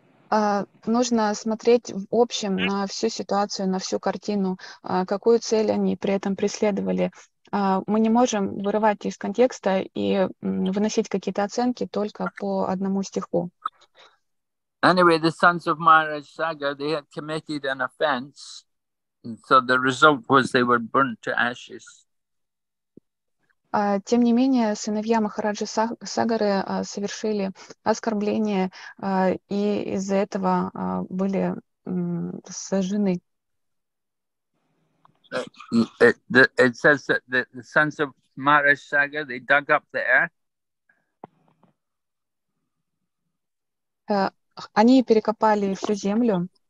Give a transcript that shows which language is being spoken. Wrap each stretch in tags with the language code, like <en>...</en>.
<ru>Нужно смотреть в общем на всю ситуацию, на всю картину, какую цель они при этом преследовали. Мы не можем вырывать из контекста и выносить какие-то оценки только по одному стиху.</ru> <en>Anyway, the sons of Maharaj Saga, they had committed an offense, so the result was they were burnt to ashes.</en> <ru>Тем не менее, сыновья Махараджи Сагары совершили оскорбление, и из-за этого были сожжены.</ru> <en>It says that the sons of Maharaj Saga, they dug up the earth.</en> <ru>Они перекопали всю землю.</ru>